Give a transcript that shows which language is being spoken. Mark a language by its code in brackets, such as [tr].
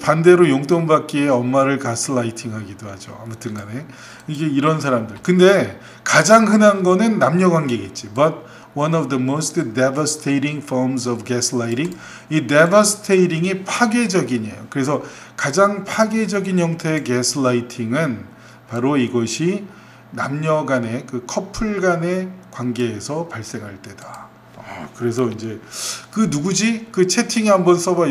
[ko] 반대로 용돈 받기에 엄마를 가스라이팅 하기도 하죠. 아무튼 간에. 이게 이런 사람들. 근데 가장 흔한 거는 남녀 관계겠지. [en] But one of the most devastating forms of gaslighting. [ko] 이 devastating이 파괴적이네요. 그래서 가장 파괴적인 형태의 gaslighting은 바로 이것이 남녀 간의 그 커플 간의 관계에서 발생할 때다. 그래서 이제 그 누구지? 그 채팅에 한번 써봐.